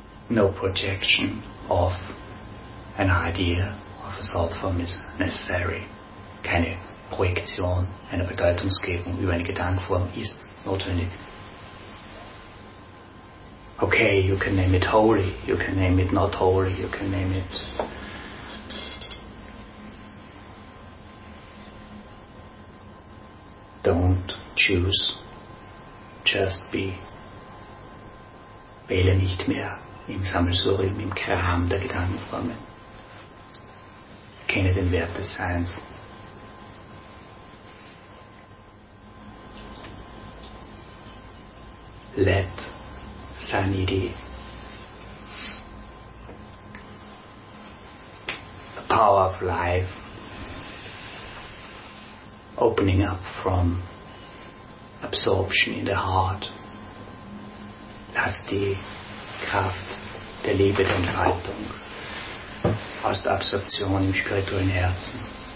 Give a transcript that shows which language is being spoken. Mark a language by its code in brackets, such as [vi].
[en] No projection of an idea of a thought form is necessary. [de] Keine Projektion einer Bedeutungsgebung über eine Gedankenform ist notwendig. [en] Okay, you can name it holy, you can name it not holy, you can name it don't choose, just be. [de] Wähle nicht mehr im Sammelsurium, im Kram der Gedankenformen. Kenne den Wert des Seins. [en] Let sanity, the power of life, opening up from absorption in the heart. [de] Lass die Kraft der Liebe der Entfaltung aus der Absorption im spirituellen Herzen.